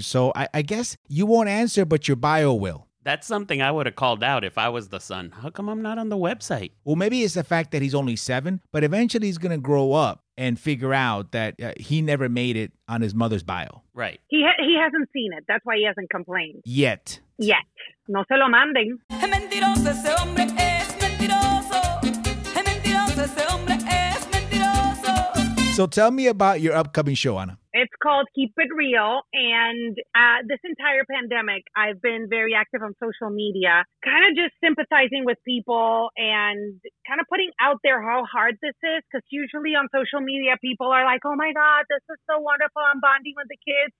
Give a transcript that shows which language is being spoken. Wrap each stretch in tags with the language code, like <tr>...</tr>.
<en>So I guess you won't answer, but your bio will. That's something I would have called out if I was the son. How come I'm not on the website? Well, maybe it's the fact that he's only 7, but eventually he's going to grow up and figure out that he never made it on his mother's bio. Right. He hasn't seen it. That's why he hasn't complained. Yet.</en> <es>No se lo manden. Es mentiroso ese hombre, es mentiroso. Es mentiroso ese hombre, es mentiroso.</es> <en>So tell me about your upcoming show, Ana. It's called Keep It Real. And this entire pandemic, I've been very active on social media, kind of just sympathizing with people and kind of putting out there how hard this is. Because usually on social media, people are like, oh my God, this is so wonderful. I'm bonding with the kids.</en>